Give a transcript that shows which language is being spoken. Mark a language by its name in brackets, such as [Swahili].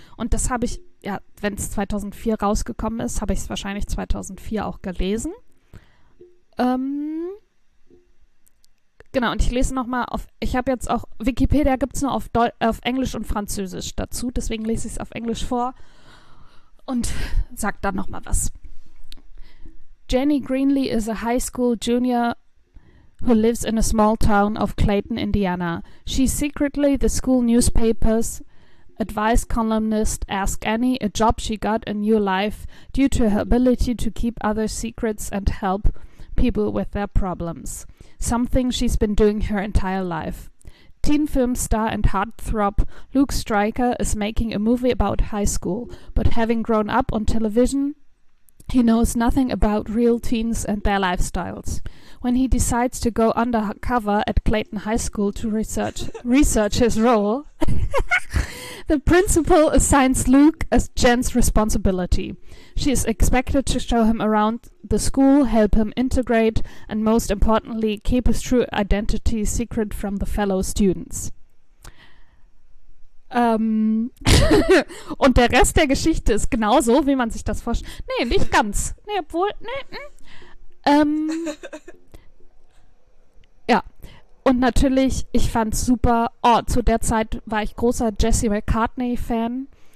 [German] Und das habe ich, ja, wenn es 2004 rausgekommen ist, habe ich es wahrscheinlich 2004 auch gelesen. Genau, und ich lese nochmal auf, ich habe jetzt auch, Wikipedia gibt es nur auf Englisch und Französisch dazu, deswegen lese ich es auf Englisch vor und sage dann nochmal was. [English] Jenny Greenlee is a high school junior who lives in a small town of Clayton, Indiana. She's secretly the school newspaper's advice columnist. Ask Annie, a job she got a new life due to her ability to keep other secrets and help people with their problems. Something she's been doing her entire life. Teen film star and heartthrob Luke Stryker is making a movie about high school, but having grown up on television, he knows nothing about real teens and their lifestyles. When he decides to go undercover at Clayton High School to research his role, the principal assigns Luke as Jen's responsibility. She is expected to show him around the school, help him integrate, and most importantly, keep his true identity secret from the fellow students. [German] und der Rest der Geschichte ist genauso, wie man sich das vorstellt. Nee, nicht ganz. Nee, obwohl. Nee, ja. Und natürlich, ich fand es super. Oh, zu der Zeit war ich großer Jesse McCartney-Fan.